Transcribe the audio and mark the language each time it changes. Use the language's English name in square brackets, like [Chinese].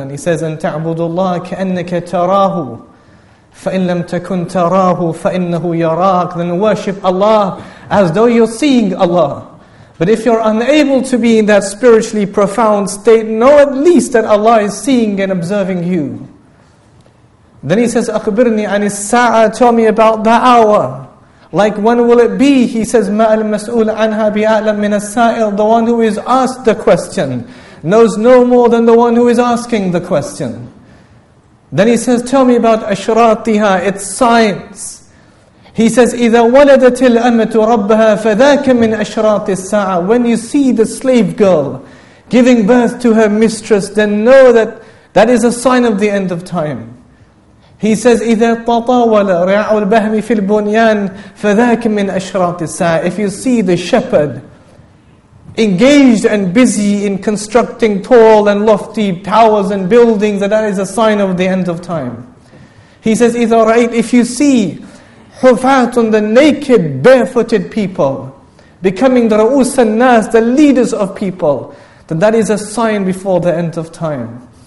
[English] And he says, [Arabic] An ta'budullah ka'annaka tarahu. فَإِنْ لَمْ تَكُنْ تَرَاهُ فَإِنَّهُ يَرَاكَ. [English] Then worship Allah as though you're seeing Allah. But if you're unable to be in that spiritually profound state, know at least that Allah is seeing and observing you. Then he says, [Arabic] أَخْبِرْنِي عَنِ السَّاعَةِ. [English] Tell me about the hour. Like, when will it be? [Arabic] He says, مَا الْمَسْؤُولَ عَنْهَا بِأَعْلَمْ مِنَ السَّائِلِ. [English] The one who is asked the question knows no more than the one who is asking the question. Then he says, tell me about ashratiha, its signs. [Arabic] He says, إِذَا وَلَدَتِ الْأَمَةُ رَبَّهَا فَذَاكَ مِنْ أَشْرَاطِ السَّاعَةِ. [English] When you see the slave girl giving birth to her mistress, then know that that is a sign of the end of time. [Arabic] He says, إِذَا تَطَاوَلَ رِعَعُ الْبَهْمِ فِي الْبُنْيَانِ فَذَاكَ مِنْ أَشْرَاطِ السَّاعَةِ. [English] If you see the shepherd engaged and busy in constructing tall and lofty towers and buildings, and that is a sign of the end of time. He says, [Arabic] إِذَا رَأَيْتْ, [English] if you see حُفَاتٌ, the naked, barefooted people, becoming the [Arabic] رَؤُوسَ النَّاسِ, [English] the leaders of people, then that is a sign before the end of time.